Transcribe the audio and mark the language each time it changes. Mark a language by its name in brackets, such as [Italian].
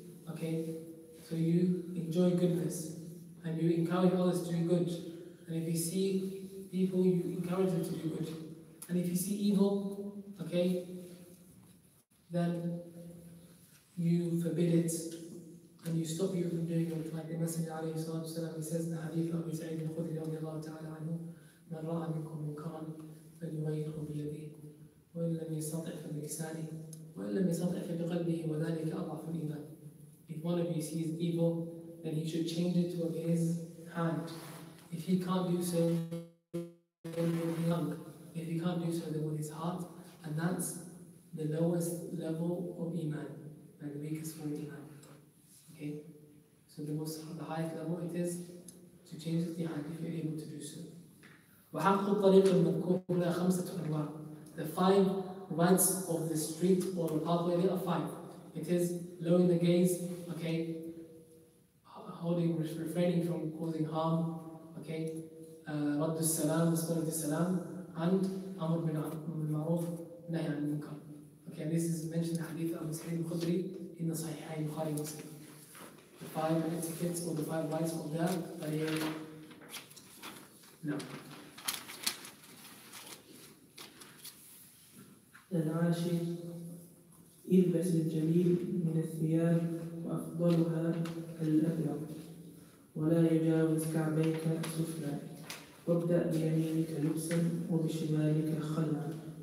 [English] Okay, so you enjoy goodness and you encourage others to do good, and if you see people, you encourage them to do good, and if you see evil, okay, then you forbid it and you stop you from doing it. Like the Messenger [Arabic] عليه الصلاة والسلام, [English] he says in the hadith of Sa'id bin Khudri [Arabic] رضي الله تعالى عنه, من رأى منكم منكرا فليغيره بيده وإن لم يستطع فبلسانه وإن لم يستطع فبقلبه وذلك أضعف الإيمان. [English] If one of you sees evil, then he should change it with his hand. If he can't do so, then with his tongue. If he can't do so, then with his heart. And that's the lowest level of iman, and the weakest form of iman. Okay? So the most, the highest level it is to change with the hand if you're able to do so. [Arabic] وحق الطريق المذكور لها خمسة أنواع. [English] The five rants of the street or the pathway, there are five. It is lowering the gaze, okay, holding, refraining from causing harm, okay, [Arabic] رد السلام, [English] responding to السلام, and [Arabic] أمر بالمعروف نهي عن المنكر. [English] Okay, this is mentioned in the hadith of Muslim Khudri in the Sahihain Bukhari Muslim. The five etiquettes or the five rights of that, but here, no. [Arabic] العاشر إلبس الجميل من الثياب وأفضلها الأبيض ولا يجاوز كعبيك سفلا وابدأ بيمينك لبسا وبشمالك خلعا.